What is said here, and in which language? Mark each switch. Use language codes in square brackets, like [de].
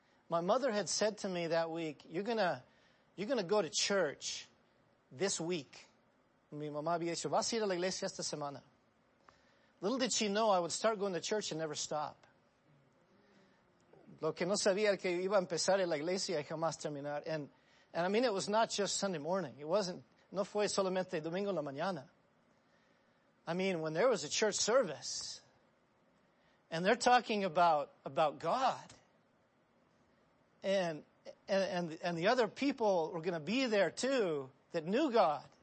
[en] My mother had said to me that week, you're gonna go to church this week. [es] Mi mamá había dicho, vas a ir a la iglesia esta semana. [en] Little did she know I would start going to church and never stop. [es] Lo que no sabía que iba a empezar en la iglesia y jamás terminar. [en] And I mean, it was not just Sunday morning. [es] No fue solamente domingo en la mañana. [en] I mean, when there was a church service and they're talking about God and the other people were going to be there too that knew God.